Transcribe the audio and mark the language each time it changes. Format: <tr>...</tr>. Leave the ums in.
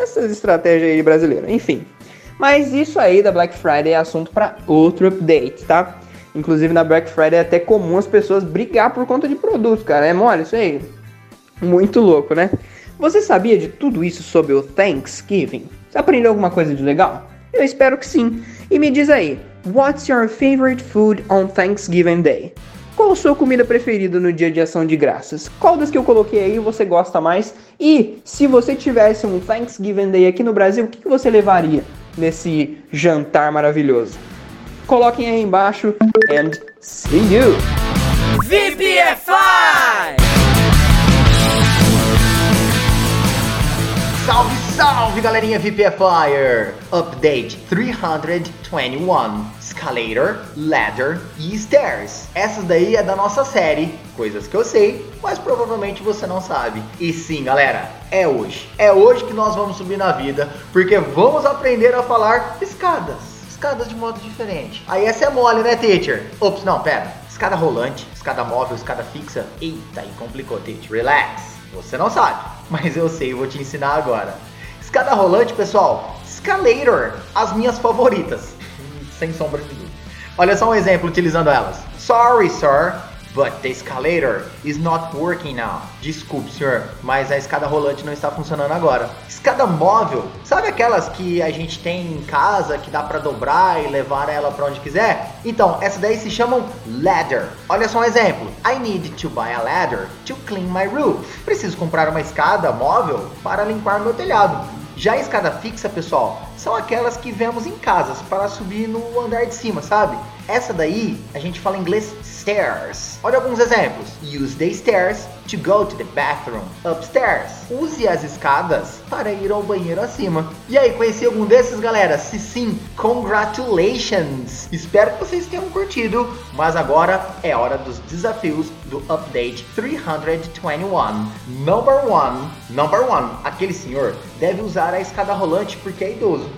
<pt>Essas estratégias aí brasileiras. Enfim. Mas isso aí da Black Friday é assunto para outro update, tá? Inclusive na Black Friday é até comum as pessoas brigar por conta de produtos, cara. É mole isso aí? Muito louco, né? Você sabia de tudo isso sobre o Thanksgiving? Você aprendeu alguma coisa de legal? Eu espero que sim. E me diz aí,</pt> <en>what's your favorite food on Thanksgiving Day?</en> <pt>Qual a sua comida preferida no dia de ação de graças? Qual das que eu coloquei aí você gosta mais? E se você tivesse um Thanksgiving Day aqui no Brasil, o que que você levaria nesse jantar maravilhoso? Coloquem aí embaixo</pt> <en>and see you!</en> <pt>VPFI! Salve, salve, galerinha VPFire! Update 321. Escalator, ladder e stairs. Essa daí é da nossa série, coisas que eu sei, mas provavelmente você não sabe. E sim, galera, é hoje. É hoje que nós vamos subir na vida, porque vamos aprender a falar escadas. Escadas de modo diferente. Aí essa é mole, né, teacher? Ops, não, pera. Escada rolante, escada móvel, escada fixa. Eita, aí complicou, teacher. Relax. Você não sabe, mas eu sei, e vou te ensinar agora. Escada rolante, pessoal, escalator, as minhas favoritas, sem sombra de dúvida. Olha só um exemplo utilizando elas.</pt> <en>Sorry, sir, but the escalator is not working now.</en> <pt>Desculpe, senhor, mas a escada rolante não está funcionando agora. Escada móvel, sabe aquelas que a gente tem em casa que dá para dobrar e levar ela para onde quiser? Então, essa daí se chamam ladder. Olha só um exemplo.</pt> <en>I need to buy a ladder to clean my roof.</en> <pt>Preciso comprar uma escada móvel para limpar meu telhado. Já a escada fixa, pessoal, são aquelas que vemos em casas para subir no andar de cima, sabe? Essa daí a gente fala em inglês stairs. Olha alguns exemplos.</pt> <en>Use the stairs to go to the bathroom upstairs.</en> <pt>Use as escadas para ir ao banheiro acima. E aí, conheci algum desses, galera? Se sim, congratulations! Espero que vocês tenham curtido, mas agora é hora dos desafios do update 321.</pt> <en>Number one, number one,</en> <pt>aquele senhor deve usar a escada rolante porque é idoso.</pt>